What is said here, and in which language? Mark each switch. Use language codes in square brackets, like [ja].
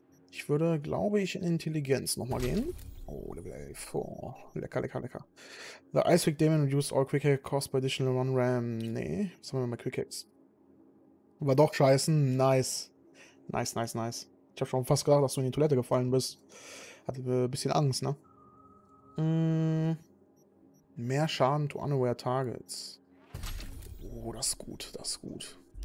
[de] Ich würde, glaube ich, in Intelligenz nochmal gehen. Oh, Level 11. Oh, lecker. [en] The Ice Quick Daemon reduced all Quick Hacks cost by additional 1 RAM. [de] Nee, was haben wir mal Quick Hacks? War doch scheiße. Nice. Ich habe schon fast gedacht, dass du in die Toilette gefallen bist. Hatte ein bisschen Angst, ne? Mehr Schaden [en] to Unaware Targets. [de] Oh, das ist gut.